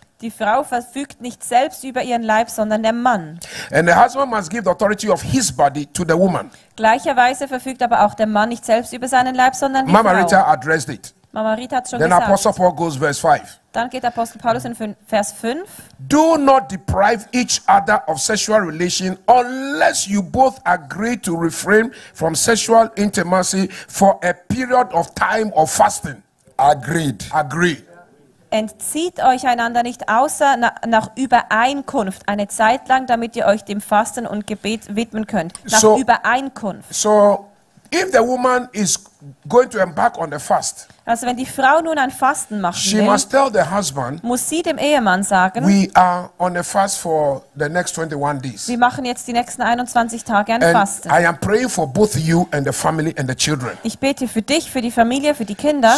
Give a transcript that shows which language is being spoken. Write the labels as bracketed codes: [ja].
[de] Die Frau verfügt nicht selbst über ihren Leib, sondern der Mann. [en] And the husband must give the authority of his body to the woman. [de] Gleicherweise verfügt aber auch der Mann nicht selbst über seinen Leib, sondern die [en] Mama [de] Frau. [en] Rita addressed it. [de] Mama Rita hat's schon [en] then [de] gesagt. [en] Apostle Paul goes verse 5. [de] Dann geht Apostel Paulus in Vers 5. [en] Do not deprive each other of sexual relation unless you both agree to refrain from sexual intimacy for a period of time of fasting. Agreed. Agreed. [de] Entzieht euch einander nicht außer nach Übereinkunft eine Zeit lang, damit ihr euch dem Fasten und Gebet widmen könnt. Nach so, Übereinkunft. [en] So, if the woman is going to embark on the fast, [de] also wenn die Frau nun ein Fasten machen [en] she [de] will, [en] must tell the husband, [de] muss sie dem Ehemann sagen, [en] we are on a fast for the next 21 days. [de] Wir machen jetzt die nächsten 21 Tage ein Fasten. [en] I am praying for both you and the family and the children. [de] Ich bete für dich, für die Familie, für die Kinder.